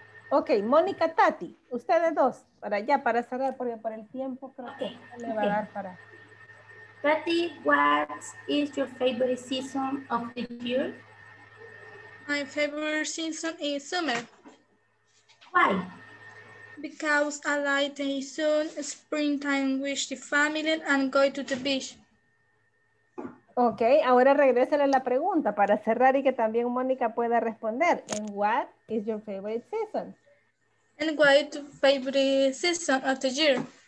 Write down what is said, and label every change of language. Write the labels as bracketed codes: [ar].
[es] Ok, Mónica, Tati, ustedes dos, para ya, para cerrar, porque por el tiempo creo que le va a dar para. [en] Tati, what is your favorite season of the year? My favorite season is summer. Why? Because I like the sun, springtime with the family and go to the beach. [es] Ok, ahora regrésale la pregunta para cerrar y que también Mónica pueda responder. [en] And what is your favorite season? And what is your favorite season of the year?